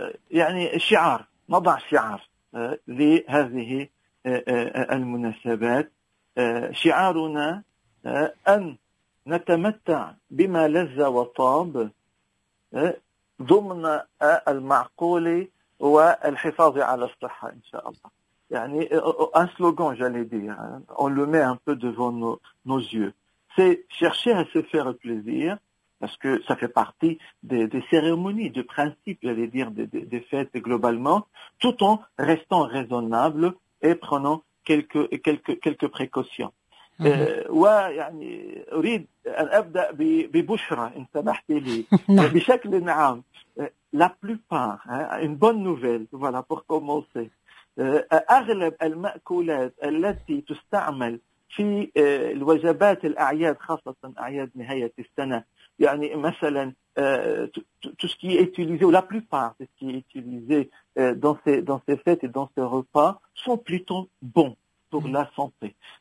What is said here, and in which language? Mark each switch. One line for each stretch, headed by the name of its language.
Arabic: يعني شعار، نضع شعار لهذه المناسبات. شعارنا أن نتمتع بما لذ وطاب ضمن المعقول والحفاظ على الصحة إن شاء الله.
French: يعني un slogan j'allais dire, on le met un peu devant nos yeux, c'est chercher à se faire plaisir, parce que ça fait partie des cérémonies, du principe, j'allais dire, des fêtes globalement, tout en restant raisonnable et prenant quelques précautions.
Arabic: يعني اريد ان ابدا ببشره ان سمحت لي بشكل عام.
French: La plupart, une bonne nouvelle, voilà pour commencer.
Arabic: اغلب المأكولات التي تستعمل في الوجبات الاعياد، خاصه اعياد نهايه السنه، يعني مثلا
French: tout ce qui est utilisé, ou la plupart de ce qui est utilisé dans ces fêtes et dans ces repas sont plutôt bons pour la santé.